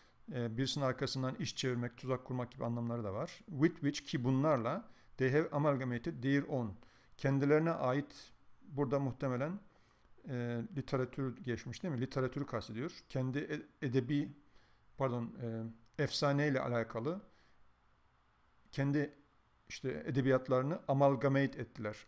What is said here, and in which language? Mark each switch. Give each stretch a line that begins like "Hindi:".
Turkish: Birisinin arkasından iş çevirmek, tuzak kurmak gibi anlamları da var.
English: With which
Turkish: ki bunlarla
English: they have amalgamated their own.
Turkish: Kendilerine ait burada muhtemelen literatür geçmiş değil mi? Literatürü kastediyor. Kendi edebi, pardon, efsaneyle alakalı kendi işte edebiyatlarını amalgamate ettiler.